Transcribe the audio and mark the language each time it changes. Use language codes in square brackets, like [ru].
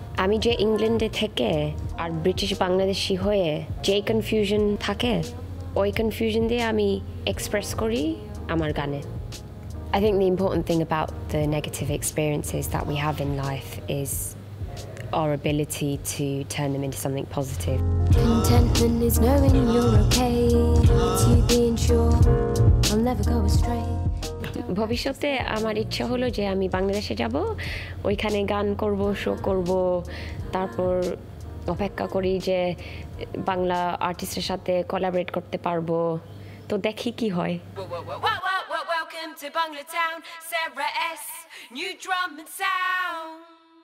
[bn] আমি যে ইংল্যান্ডে থেকে আর ব্রিটিশ বাংলাদেশি হয়ে যে কনফিউশন থাকে ওই কনফিউশন দিয়ে আমি এক্সপ্রেস করি আমার গানে [en] I think the important thing about the negative experiences that we have in life is our ability to turn them into something positive. Contentment is knowing you're okay. It's you being sure I'll never go astray. [bn] ভবিষ্যতে আমার ইচ্ছা হলো যে আমি বাংলাদেশে যাব, ওইখানে গান করব, শো করব, তারপর অপেক্ষা করি যে বাংলা আর্টিস্টের সাথে কোলাবরেট করতে পারবো তো দেখি কি হয় [en] Welcome to Bangla Town, Sarah S, new drum and sound.